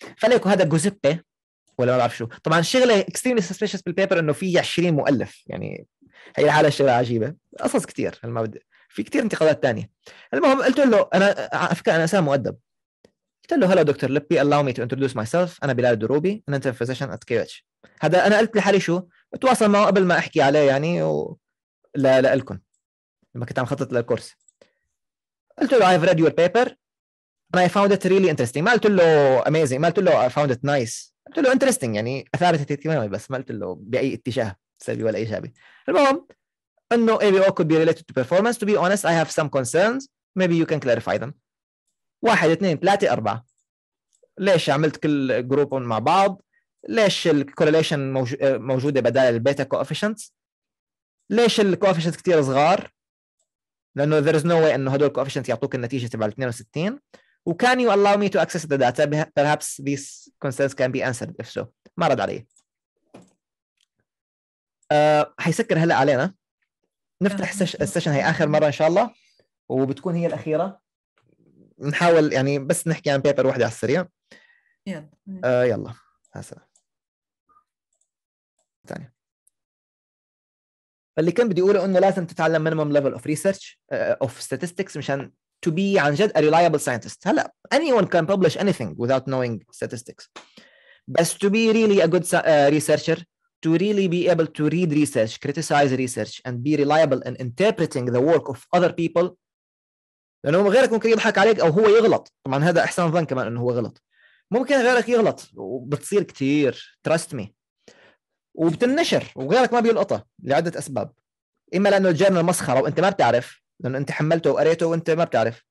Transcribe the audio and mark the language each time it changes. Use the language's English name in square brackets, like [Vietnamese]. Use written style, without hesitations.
[Arabic] فليكو هذا جوزيبي ولا ما بعرف شو. طبعا الشغلة [English] extremely suspicious [Arabic] بالبيبر انه في 20 مؤلف يعني هي الحالة شغلة عجيبة قصص كتير في كتير انتقادات تانية. المهم قلت له أنا أفكر أنا أسام مؤدب قلت له هلا دكتور لبي [English] allow me to introduce myself [Arabic] أنا بلال الدروبي أنا [English] intern physician at KH. [Arabic] هذا أنا قلت لحالي شو اتواصل معه قبل ما احكي عليه يعني لا لكم لما كنت عم خطط للكورس. قلت له [English] I've read your paper and I found it really interesting. [Arabic] ما قلت له [English] amazing, ما قلت له I found it nice. [Arabic] قلت له interesting يعني أثارت اهتمامي, بس ما قلت له بأي اتجاه سلبي ولا إيجابي. المهم أنه [English] ABO could be related to performance. To be honest, I have some concerns. Maybe you can clarify them. [Arabic] واحد, اثنين, ثلاثة, أربعة. ليش عملت كل جروب مع بعض؟ ليش الكوريليشن موجودة بدال البيتا كوفيشنتس؟ ليش الكوفيشنتس كتير صغار؟ لأنه [English] there is no way [Arabic] أنه هدول الكوفيشنتس يعطوك النتيجة تبع 62. وكان [English] you allow me to access the data, perhaps these concerns can be answered. If so, [Arabic] ما رد عليه. حيسكر هلا علينا. نفتح السيشن هي آخر مرة إن شاء الله, وبتكون هي الأخيرة. نحاول يعني بس نحكي عن بيبر واحدة على السريع. يلا هسه ثانية. فاللي كان بدي أقوله إنه لازم تتعلم [English] minimum level of research of statistics [Arabic] مشان [English] to be [Arabic] عن جد [English] a reliable scientist. [Arabic] هلا [English] anyone can publish anything without knowing statistics, [Arabic] بس [English] to be really a good researcher, to really be able to read research, criticize research, and be reliable in interpreting the work of other people. [Arabic] لأنه غيرك ممكن يضحك عليك أو هو يغلط. طبعا هذا أحسن ظن كمان أنه هو غلط. ممكن غيرك يغلط وبتصير كتير, trust me. وبتنشر وغيرك ما بيلقطه لعدة أسباب. إما لأنه الجورنال مسخرة وأنت ما بتعرف, لأنه أنت حملته وقريته وأنت ما بتعرف.